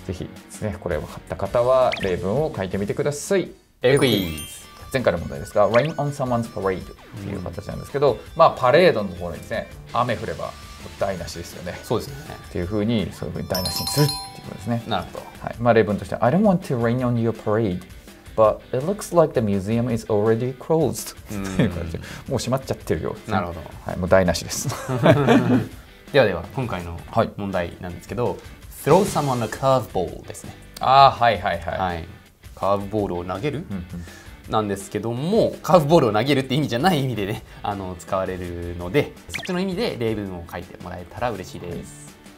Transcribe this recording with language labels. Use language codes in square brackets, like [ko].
[ja] ぜひですね、これ分かった方は例文を書いてみてください。エグイーズ。前回の問題ですが、 Rain on someone's parade という形なんですけど、うん、まあ、パレードのところにですね、雨降れば台無しですよね。そうですね。っていうふうに、そういうふうに台無しにするっていうことですね。なるほど。 [en] はい、まあ、例文として、 I don't want to rain on your parade, but it looks like the museum is already closed. [ja] もう閉まっちゃってるよ。なるほど。はい、もう台無しです。ではでは、今回の問題なんですけど、はい、 Throw someone a curveball ですね。ああ、はいはいはい。はい、カーブボールを投げる、うんうん、なんですけども、カーブボールを投げるって意味じゃない意味でね、あの使われるので、そっちの意味で例文を書いてもらえたら嬉しいです。